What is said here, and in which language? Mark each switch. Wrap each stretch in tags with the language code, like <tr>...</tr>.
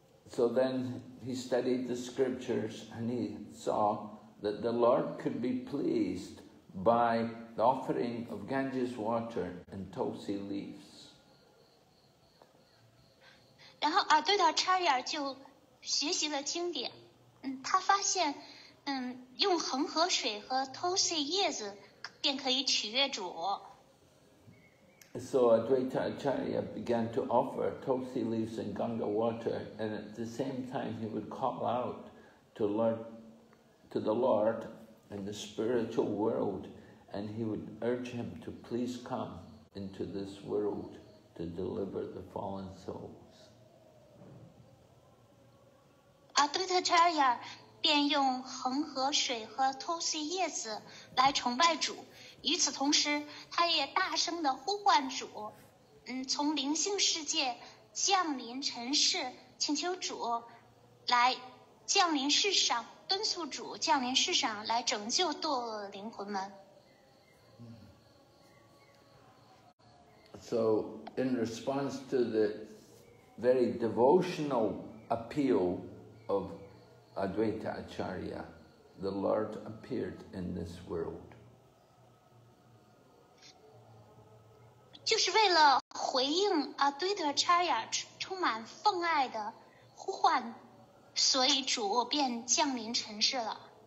<en>So then he studied the scriptures and he saw that the Lord could be pleased by the offering of Ganges water and Tulsi leaves.</en> <zh>然后阿对达查里尔就学习了经典，他发现，用恒河水和托西叶子便可以取悦主。</zh> <en>So Advaita Acharya began to offer Tulsi leaves and Ganga water, and at the same time he would call out to the Lord in the spiritual world, and he would urge him to please come into this world to deliver the fallen soul.</en> <zh>阿杜特查尔雅便用恒河水和托西叶子来崇拜主，与此同时他也大声地呼唤主，从灵性世界降临尘世，请求主来降临世上，敦促主降临世上来拯救堕落的灵魂们。</zh> <en>So in response to the very devotional appealOf Advaita Acharya, the Lord appeared in this world.</en> <zh>就是为了回应阿杜特查尔雅充满奉爱的呼唤，所以主便降临尘世了。</zh>